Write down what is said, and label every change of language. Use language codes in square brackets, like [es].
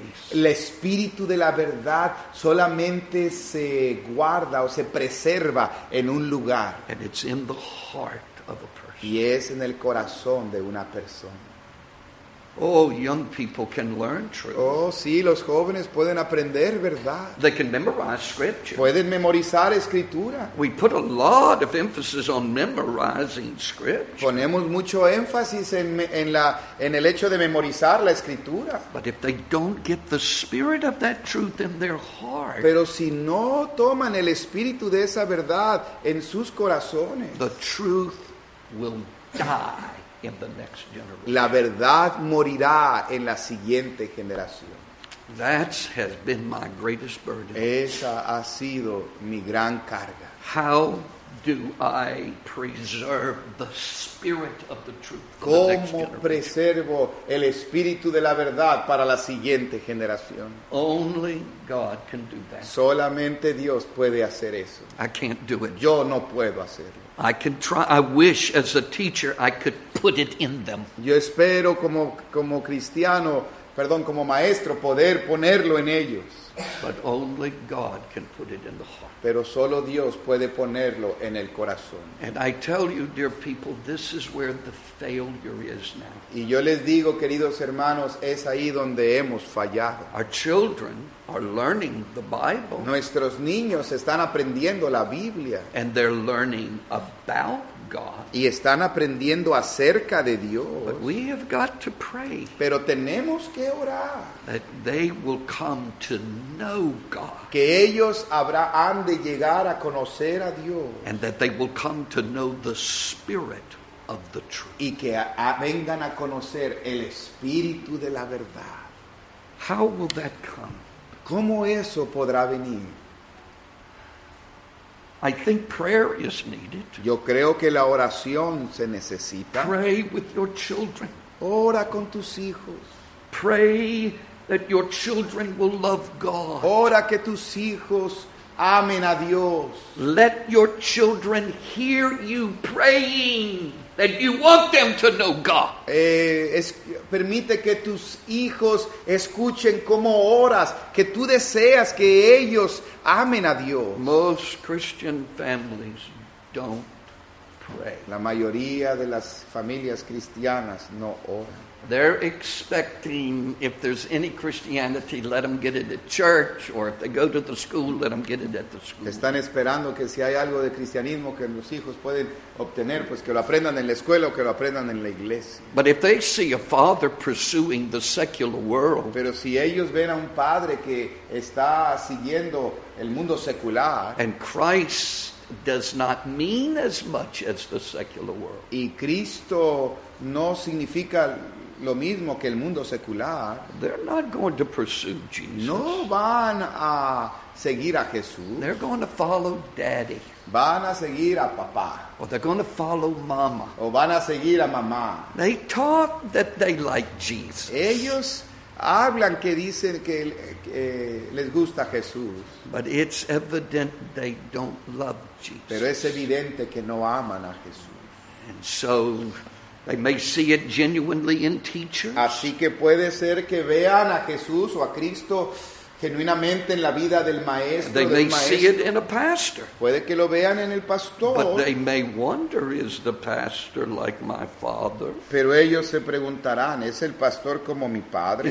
[es] El espíritu de la verdad solamente se guarda o se preserva en un lugar. [en] And it's in the heart of a person. Christ. [es] Y es en el corazón de una persona. [en] Oh, young people can learn truth. [es] Oh, sí, los jóvenes pueden aprender verdad. [en] They can memorize scripture. [es] Pueden memorizar escritura. [en] We put a lot of emphasis on memorizing scripture. [es] Ponemos mucho énfasis en el hecho de memorizar la escritura. [en] But if they don't get the spirit of that truth in their heart. [es] Pero si no toman el espíritu de esa verdad en sus corazones. [en] The truth will die. In the next generation. [es] La verdad morirá en la siguiente generación. [en] That has been my greatest burden. [es] Esa ha sido mi gran carga. [en] How do I preserve the spirit of the truth? [es] ¿Cómo preservo el espíritu de la verdad para la siguiente generación? [en] Only God can do that. [es] Solamente Dios puede hacer eso. [en] I can't do it. [es] Yo no puedo hacerlo. [en] I can try. I wish, as a teacher, I could put it in them. [es] Yo espero como cristiano, perdón, como maestro, poder ponerlo en ellos. [en] But only God can put it in the heart. [es] Pero solo Dios puede ponerlo en el corazón. [en] And I tell you, dear people, this is where the failure is now. [es] Y yo les digo, queridos hermanos, es ahí donde hemos fallado. [en] Our children are learning the Bible. [es] Nuestros niños están aprendiendo la Biblia. [en] And they're learning about God. [es] Y están aprendiendo acerca de Dios. [en] But we have got to pray. [es] Pero tenemos que orar. [en] That they will come to know God. [es] Que ellos han de llegar a conocer a Dios. [en] And that they will come to know the Spirit of the truth. [es] Y que vengan a conocer el Espíritu de la verdad. [en] How will that come? [es] ¿Cómo eso podrá venir? [en] I think prayer is needed. [es] Yo creo que la oración se necesita. [en] Pray with your children. [es] Ora con tus hijos. [en] Pray that your children will love God. [es] Ora que tus hijos amen a Dios. [en] Let your children hear you praying that you want them to know God. [es] Permite que tus hijos escuchen cómo oras, que tú deseas que ellos amen a Dios. [en] Most Christian families don't pray. [es] La mayoría de las familias cristianas no oran. [en] They're expecting, if there's any Christianity, let them get it at church, or if they go to the school, let them get it at the school. [es] Están esperando que si hay algo de cristianismo que los hijos pueden obtener, pues que lo aprendan en la escuela o que lo aprendan en la iglesia. [en] But if they see a father pursuing the secular world, [es] pero si ellos ven a un padre que está siguiendo el mundo secular, [en] and Christ does not mean as much as the secular world, [es] y Cristo no significa lo mismo que el mundo secular, [en] they're not going to pursue Jesus. [es] No van a seguir a Jesús. [en] They're going to follow daddy. [es] Van a seguir a papá. [en] Or they're going to follow mama. [es] O van a seguir a mamá. [en] They talk that they like Jesus. [es] Ellos hablan que dicen que les gusta Jesús. [en] But it's evident they don't love Jesus. [es] Pero es evidente que no aman a Jesús. [en] And so they may see it genuinely in teachers. [es] Así que puede ser que vean a Jesús o a Cristo genuinamente en la vida del maestro. [en] They [es] del [en] may [es] maestro. [en] See it in a pastor. [es] Puede que lo vean en el pastor. [en] But they may wonder, is the pastor like my father? [es] Pero ellos se preguntarán, ¿es el pastor como mi padre?